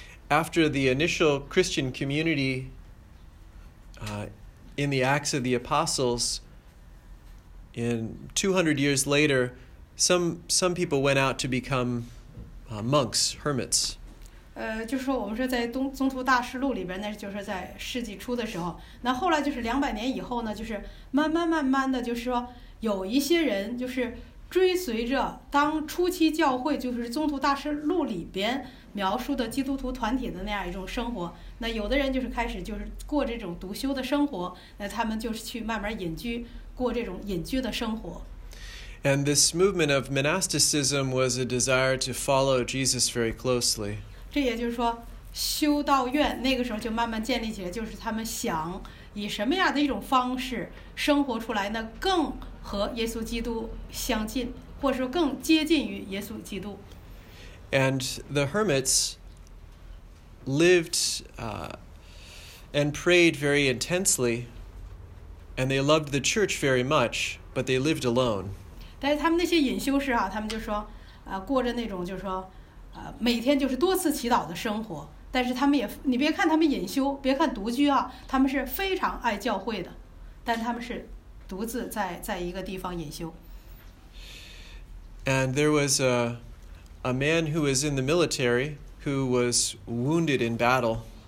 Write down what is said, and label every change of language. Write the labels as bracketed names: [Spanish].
[English] After the initial Christian community in the Acts of the Apostles, in 200 years later, some people went out to becomemonks, hermits. [Chinese] 就是说我们说在宗徒大事录里边，那就是在世纪初的时候，那后来就是两百年以后呢，就是慢慢慢慢的，就是说有一些人就是追随着当初期教会，就是宗徒大事录里边描述的基督徒团体的那样一种生活，那有的人就是开始就是过这种独修的生活，那他们就是去慢慢隐居，过这种隐居的生活。 [English] And this movement of monasticism was a desire to follow Jesus very closely. [Chinese] 这也就是说，修道院那个时候就慢慢建立起来，就是他们想以什么样的一种方式生活出来呢？更和耶稣基督相近，或者说更接近于耶稣基督。 [English] And the hermits lived and prayed very intensely, and they loved the church very much, but they lived alone. [Chinese] 但是他们那些隐修士啊，他们就说，过着那种就是说，每天就是多次祈祷的生活。但是他们也，你别看他们隐修，别看独居啊，他们是非常爱教会的，但他们是独自在一个地方隐修。 [English] And there was a man who was in the military who was wounded in battle.